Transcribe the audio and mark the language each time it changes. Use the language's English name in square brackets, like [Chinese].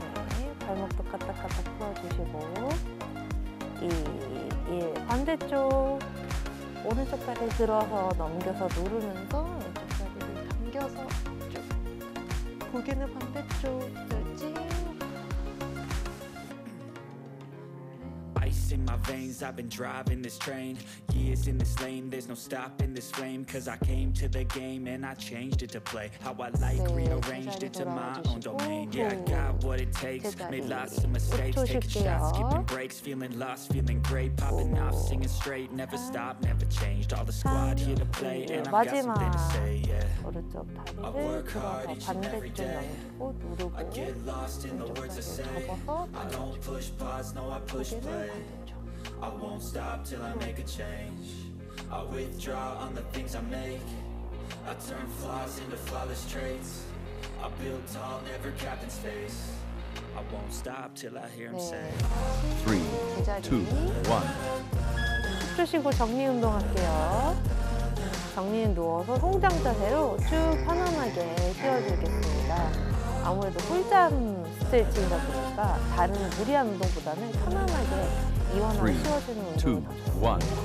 [Korean] 네, 발목도 까딱까딱 풀어주시고 2, 1, 반대쪽 오른쪽 다리 들어서 넘겨서 누르면서 왼쪽 다리를 당겨서 쭉 고개는 반대쪽 들지 [English] in my veins. I've been driving this train. Years in this lane. There's no stopping this flame. Cause I came to the game and I changed it to play. How I like, 네, rearranged it to my own domain. Yeah, I got what it takes. Made lots of mistakes. Taking shots, skipping breaks. Feeling lost, feeling great. Popping off, singing straight. Never stopped, never changed. All the squad here to play. And I've got something to say, yeah. I work hard each and every day. I get lost in the words I say. I don't push pause, no, I push play. I won't stop till I make a change. I withdraw on the things I make. I turn flaws into flawless traits. I build tall, never capped in space. I won't stop till I hear him say. 3, 2, 1. [Korean] 쉬시고 정리 운동할게요. 정리는 누워서 송장 자세로 쭉 편안하게 쉬어주겠습니다. 아무래도 꿀잠 스트레칭이다 보니까 다른 무리한 운동보다는 편안하게 이완하고 쉬어주는 운동입니다.